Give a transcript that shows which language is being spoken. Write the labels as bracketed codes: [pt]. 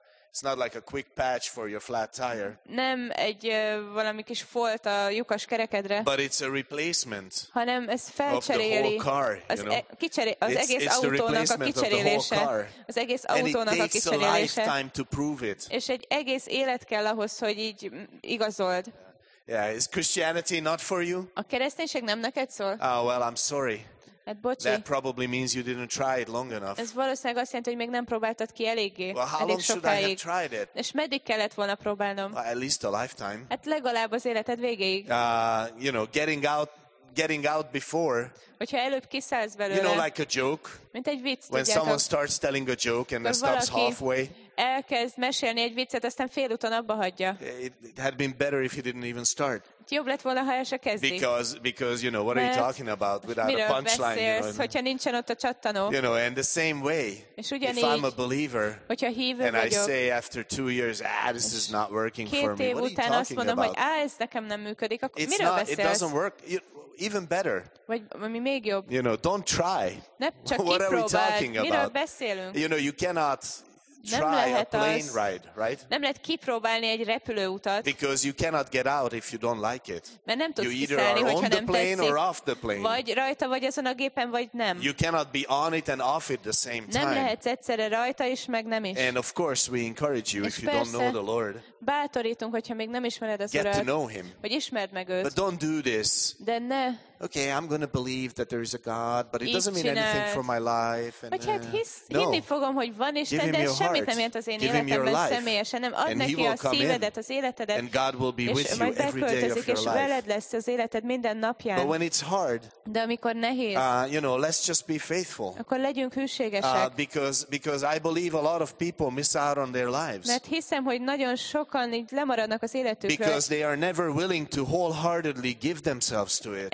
[en] It's not like a quick patch for your flat tire. [hu] Nem egy valami kis folt a lyukas kerekedre. [en] But it's a replacement. [hu] Hanem ez felcseréli. [en] Of the whole car, you know. [hu] Az egész autónak a kicserélése. Az egész autónak a kicserélése. [en] And it takes a lifetime to prove it. [hu] És egy egész élet kell ahhoz, hogy így igazold. [en] Yeah, is Christianity not for you? [hu] A kereszténység nem neked szól. [en] Oh, well, I'm sorry. [hu] Bocsi. [en] That probably means you didn't try it long enough. [hu] Ez valószínűleg azt jelenti, hogy még nem próbáltad ki eléggé. [en] Well, how long should I have tried it? [hu] És meddig kellett volna próbálnom? [en] Well, at least a lifetime. [hu] Hát legalább az életed végéig. [en] You know, getting out before. [hu] Hogyha előbb kiszállsz belőle. [en] You know, like a joke. [hu] Mint egy vicc. [en] When someone starts telling a joke and stops halfway. [hu] Elkezd mesélni egy viccet, aztán fél úton abba hagyja. [en] It had been better if he didn't even start. [hu] Jobb lett volna, ha el se kezdik. [en] Because you know, what are you talking about without a punchline? [hu] Miről beszélsz, hogyha nincsen ott a csattanó? [en] You know, and the same way. [hu] És ugyanígy, [en] if I'm a believer, [hu] hogyha hívő vagyok, [en] and I say after 2 years, this is not working for me. What are you talking [hu] about? Két év után azt mondom, hogy ez nekem nem működik. Akkor miről beszélsz? [en] It doesn't work. even better. [hu] Vagy ami még jobb. [en] You know, don't try. [hu] Ne, csak [en] what are we talking about? [hu] Miről beszélünk? [en] You know, you cannot try a plane ride, right? [hu] Nem lehet kipróbálni egy repülőutat. [en] Because you cannot get out if you don't like it. [hu] Mert nem tudsz [en] you either are on the plane [hu] tetszik, [en] or off the plane. [hu] Vagy rajta vagy azon a gépen vagy nem. [en] You cannot be on it and off it the same time. [hu] Nem lehet egyszerre rajta is meg nem is. [en] And of course we encourage you [hu] és [en] if you don't know the Lord. [hu] Bátorítunk, hogyha még nem ismered az [en] get [hu] Urat. [en] Get to know him. [hu] Hogy ismerd meg őt. [en] But don't do this. [hu] De ne. [en] Okay, I'm going to believe that there is a God, but it doesn't mean anything for my life. And, [hu] hinni fogom, hogy van Isten, de semmit nem ért az én életemben személyesen. Nem, add neki a szívedet, az életedet, [en] and God will be with you every day of your life. [hu] És veled lesz az életed minden napján. [en] But when it's hard, [hu] de amikor nehéz, [en] you know, let's just be faithful. [hu] Akkor legyünk hűségesek. [en] Because I believe a lot of people miss out on their lives. [hu] Mert hiszem, hogy nagyon sokan így lemaradnak az életükről. [en] Because they are never willing to wholeheartedly give themselves to it.